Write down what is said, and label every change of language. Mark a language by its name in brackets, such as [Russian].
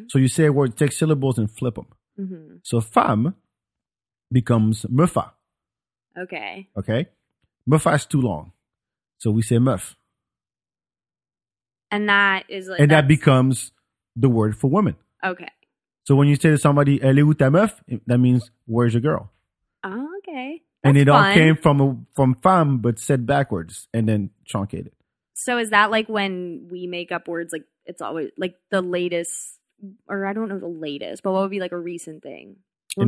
[English] So you say a word, take syllables and flip them. Mm-hmm. So femme becomes mufa. Okay. Okay. Mufa is too long. So we say muf. And that is like. And that becomes the word for woman. Okay. So when you say to somebody, [French] elle est où ta meuf? [English] That means, where's your girl? Oh, okay. That's and it fun. All came from femme, but said backwards and then truncated. So is that like when we make up words, like it's always like the latest, or I don't know the latest, but what would be like a recent thing? When